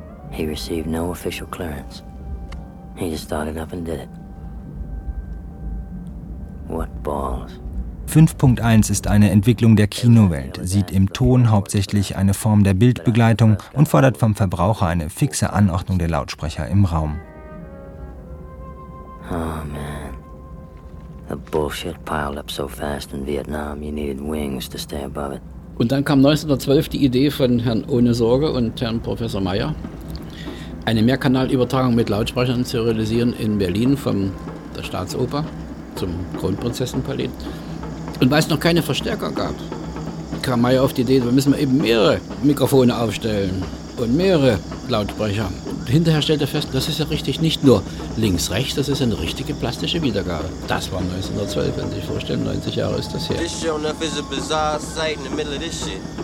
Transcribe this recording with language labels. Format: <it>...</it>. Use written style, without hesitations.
<en>He received no official clearance. He just started up and did it. What balls?</en> <de>5.1 ist eine Entwicklung der Kinowelt, sieht im Ton hauptsächlich eine Form der Bildbegleitung und fordert vom Verbraucher eine fixe Anordnung der Lautsprecher im Raum.</de> <en>Oh man, the bullshit piled up so fast in Vietnam, you needed wings to stay above it.</en> <de>Und dann kam 1912 die Idee von Herrn Ohne Sorge und Herrn Professor Meyer, eine Mehrkanalübertragung mit Lautsprechern zu realisieren in Berlin von der Staatsoper zum Kronprinzessenpalais. Und weil es noch keine Verstärker gab, kam Meyer auf die Idee, da müssen wir eben mehrere Mikrofone aufstellen und mehrere Lautsprecher. Hinterher stellt er fest, das ist ja richtig nicht nur links-rechts, das ist eine richtige plastische Wiedergabe. Das war 1912, wenn Sie sich vorstellen, 90 Jahre ist das her.</de> <en>This show enough is a bizarre sight in the middle of this shit.</en>